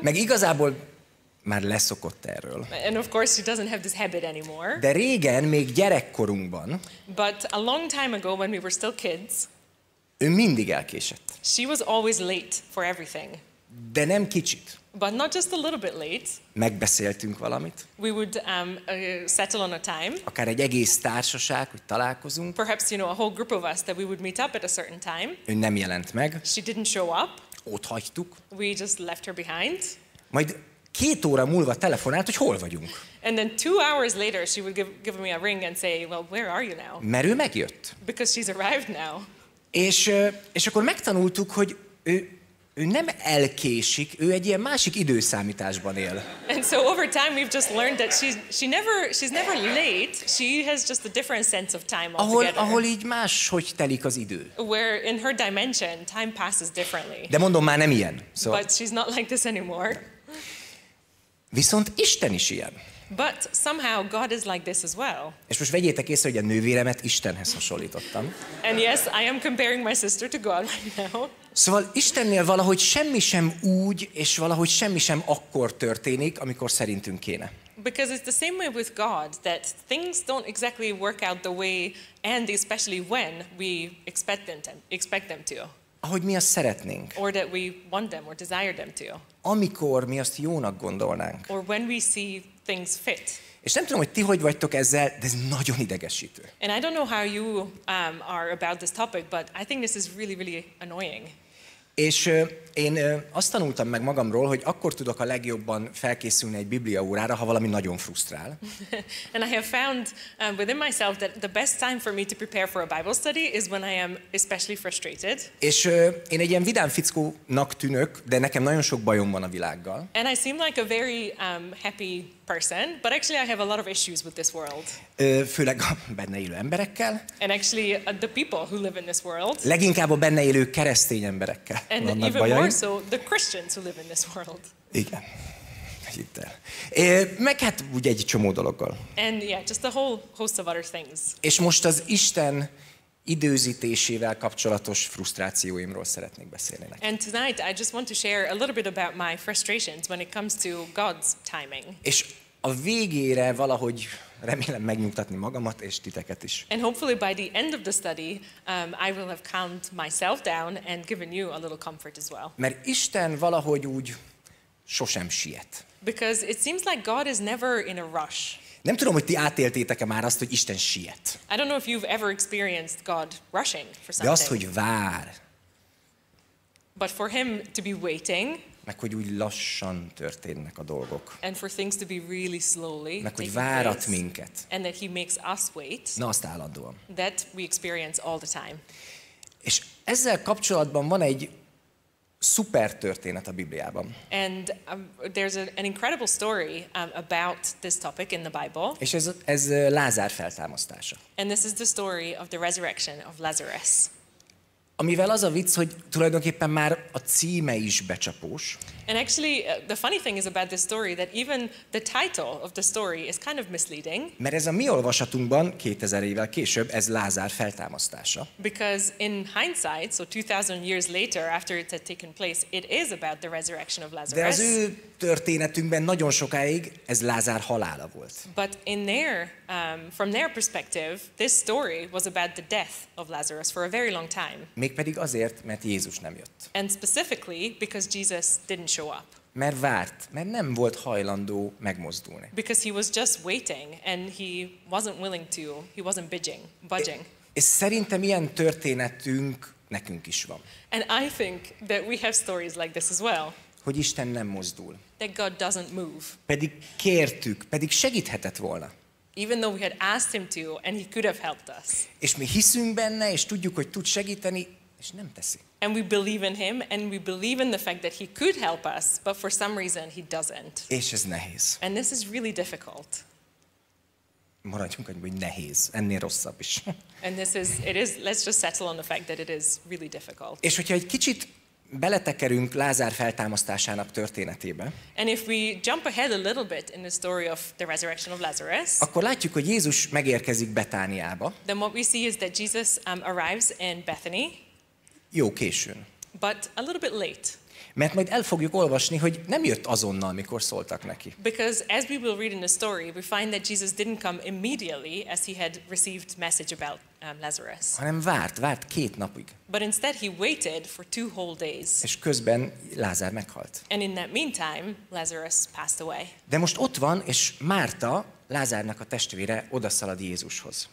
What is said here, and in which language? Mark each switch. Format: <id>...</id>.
<hu>Meg igazából már leszokott erről.</hu> <en>And of course she doesn't have this habit anymore.</en> <hu>De régen, még gyerekkorunkban.</hu> <en>But a long time ago when we were still kids.</en> <hu>Ő mindig elkésett.</hu> <en>She was always late for everything.</en> <hu>De nem kicsit.</hu> <en>But not just a little bit late.</en> <hu>Megbeszéltünk valamit.</hu> <en>We would settle on a time.</en> <hu>Akár egy egész társaság, hogy találkozunk.</hu> <en>Perhaps you know a whole group of us that we would meet up at a certain time.</en> <hu>Ő nem jelent meg.</hu> <en>She didn't show up.</en> <hu>Ott hagytuk.</hu> <en>We just left her behind.</en> <hu>Majd 2 óra múlva telefonált, hogy hol vagyunk.</hu> <en>And then 2 hours later she would give me a ring and say, well, where are you now?</en> <hu>Mert ő megjött.</hu> <en>Because she's arrived now.</en> <hu>És akkor megtanultuk, hogy ő nem elkésik, ő egy ilyen másik időszámításban él.</hu> <en>And so over time we've just learned that she's never late, she has just a different sense of time altogether.</en> <hu>Ahol így más, hogy telik az idő.</hu> <en>Where in her dimension time passes differently.</en> <hu>De mondom, már nem ilyen. Szóval.</hu> <en>But she's not like this anymore.</en> <hu>Viszont Isten is ilyen.</hu> <en>But somehow God is like this as well.</en> <hu>És most vegyétek észre, hogy a nővéremet Istenhez hasonlítottam.</hu> <en>And yes, I am comparing my sister to God right now.</en> <hu>Szóval Istennél valahogy semmi sem úgy, és valahogy semmi sem akkor történik, amikor szerintünk kéne.</hu> <en>Because it's the same way with God, that things don't exactly work out the way, and especially when we expect them to.</en> <hu>Ahogy mi azt szeretnénk.</hu> <en>Or that we want them or desire them to.</en> <hu>Amikor mi azt jónak gondolnánk.</hu> <en>Or when we see things fit.</en> <hu>És nem tudom, hogy ti hogy vagytok ezzel, de ez nagyon idegesítő.</hu> <en>And I don't know how you are about this topic, but I think this is really, really annoying.</en> <hu>És én azt tanultam meg magamról, hogy akkor tudok a legjobban felkészülni egy Biblia órára, ha valami nagyon frusztrál.</hu> <en>And I have found within myself that the best time for me to prepare for a Bible study is when I am especially frustrated.</en> <hu>És én egy ilyen vidám fickónak tűnök, de nekem nagyon sok bajom van a világgal.</hu> <en>And I seem like a very happy person, but actually I have a lot of issues with this world.</en> <hu>Főleg a benne élő emberekkel.</hu> <en>And actually the people who live in this world.</en> <hu>Leginkább a benne élő keresztény emberekkel.</hu> <en>And even</en> <hu>bajaim.</hu> <en>More so the Christians who live in this world.</en> <hu>Igen. Hittel. Meg hát ugye egy csomó dologgal.</hu> <en>And yeah, just a whole host of other things.</en> <hu>És most az Isten időzítésével kapcsolatos frusztrációimról szeretnék beszélni nektek.</hu> <en>And tonight I just want to share a little bit about my frustrations when it comes to God's timing.</en> <hu>És a végére valahogy remélem megnyugtatni magamat és titeket is.</hu> <en>And hopefully by the end of the study, I will have calmed myself down and given you a little comfort as well.</en> <hu>Mert Isten valahogy úgy sosem siet.</hu> <en>Because it seems like God is never in a rush.</en> <hu>Nem tudom, hogy ti átéltétek-e már azt, hogy Isten siet.</hu> <en>I don't know if you've ever experienced God rushing for something.</en> <hu>De azt, hogy vár.</hu> <en>But for him to be waiting.</en> <hu>Meg hogy úgy lassan történnek a dolgok.</hu> <en>And for things to be really slowly.</en> <hu>Meg hogy várat minket.</hu> <en>And that he makes us wait.</en> <hu>Na, azt állandóan.</hu> <en>That we experience all the time.</en> <hu>És ezzel kapcsolatban van egy szuper történet a Bibliában.</hu> <en>And there's an incredible story about this topic in the Bible.</en> <hu>És ez Lázár feltámasztása.</hu> <en>And this is the story of the resurrection of Lazarus.</en> <hu>Amivel az a vicc, hogy tulajdonképpen már a címe is becsapós.</hu> <en>And actually the funny thing is about this story that even the title of the story is kind of misleading.</en> <hu>Mert ez a mi olvasatunkban 2000 évvel később ez Lázár feltámasztása.</hu> <en>Because in hindsight, so 2000 years later after it had taken place, it is about the resurrection of Lazarus.</en> <hu>De az ő történetünkben nagyon sokáig ez Lázár halála volt.</hu> <en>But in their from their perspective, this story was about the death of Lazarus for a very long time.</en> <hu>Mégpedig azért, mert Jézus nem jött.</hu> <en>And specifically because Jesus didn't show up.</en> <hu>Mert várt, mert nem volt hajlandó megmozdulni.</hu> <en>Because he was just waiting and he wasn't willing to, he wasn't budging.</en> <hu>És szerintem ilyen történetünk nekünk is van.</hu> <en>And I think that we have stories like this as well.</en> <hu>Hogy Isten nem mozdul.</hu> <en>That God doesn't move.</en> <hu>Pedig kértük, pedig segíthetett volna.</hu> <en>Even though we had asked him to and he could have helped us.</en> <hu>És mi hiszünk benne és tudjuk, hogy tud segíteni, és nem teszi.</hu> <en>And we believe in him and we believe in the fact that he could help us, but for some reason he doesn't.</en> <hu>És ez nehéz.</hu> <en>And this is really difficult.</en> <hu>Maradjunk, hogy nehéz, ennél rosszabb is.</hu> <en>And this is, it is, let's just settle on the fact that it is really difficult.</en> <hu>És hogyha egy kicsit beletekerünk Lázár feltámasztásának történetébe,</hu> <en>and if we jump ahead a little bit in the story of the resurrection of Lazarus,</en> <hu>akkor látjuk, hogy Jézus megérkezik Betániába.</hu> <en>Then what we see is that Jesus arrives in Bethany.</en> <hu>Jó későn.</hu> <en>But a little bit late.</en> <hu>Mert majd el fogjuk olvasni, hogy nem jött azonnal, mikor szóltak neki.</hu> <en>Because as we will read in the story, we find that Jesus didn't come immediately as he had received message about Lazarus.</en> <hu>Hanem várt két napig.</hu> <en>But instead he waited for two whole days.</en> <hu>És közben Lázár meghalt.</hu> <en>And in that meantime, Lazarus passed away.</en> <hu>De most ott van, és Márta, Lázárnak a testvére, odaszalad Jézushoz.</hu>